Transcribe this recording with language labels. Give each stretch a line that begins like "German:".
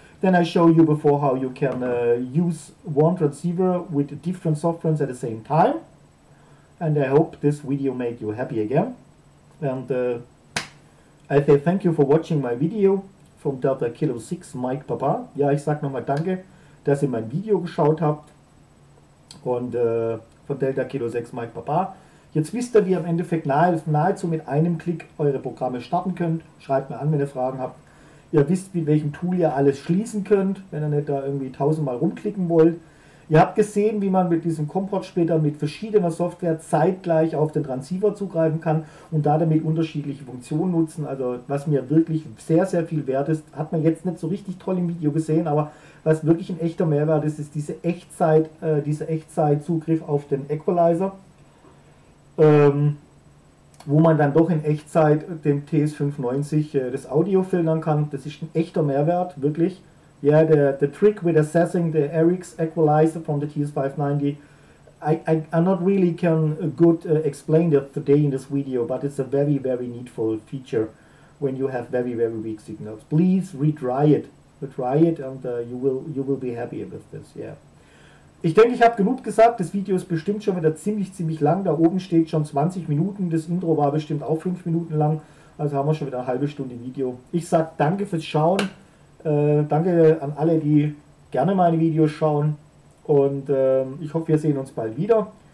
English: Then I show you before how you can use one transceiver with different softwares at the same time. And I hope this video made you happy again. And I say thank you for watching my video from Delta Kilo 6 Mike Papa.
German: Ja, ich sag nochmal danke, dass ihr mein Video geschaut habt. Und von Delta Kilo 6 Mike Papa. Jetzt wisst ihr, wie ihr im Endeffekt nahezu mit einem Klick eure Programme starten könnt. Schreibt mir an, wenn ihr Fragen habt. Ihr wisst, mit welchem Tool ihr alles schließen könnt, wenn ihr nicht da irgendwie tausendmal rumklicken wollt. Ihr habt gesehen, wie man mit diesem Comport später mit verschiedener Software zeitgleich auf den Transceiver zugreifen kann und da damit unterschiedliche Funktionen nutzen. Also was mir wirklich sehr, sehr viel wert ist, hat man jetzt nicht so richtig toll im Video gesehen, aber was wirklich ein echter Mehrwert ist, ist diese Echtzeit, dieser Echtzeitzugriff auf den Equalizer, wo man dann doch in Echtzeit dem TS-590 das Audio filtern kann. Das ist ein echter Mehrwert, wirklich.
English: Ja, the trick with assessing the Eric's equalizer from the TS-590, I'm not really can good explain it today in this video, but it's a very, very needful feature when you have very, very weak signals. Please retry it. Retry it and you will be happy with this, yeah.
German: Ich denke, ich habe genug gesagt, das Video ist bestimmt schon wieder ziemlich, ziemlich lang. Da oben steht schon 20 Minuten, das Intro war bestimmt auch 5 Minuten lang. Also haben wir schon wieder eine halbe Stunde Video. Ich sage danke fürs Schauen. Danke an alle, die gerne meine Videos schauen. Und ich hoffe, wir sehen uns bald wieder.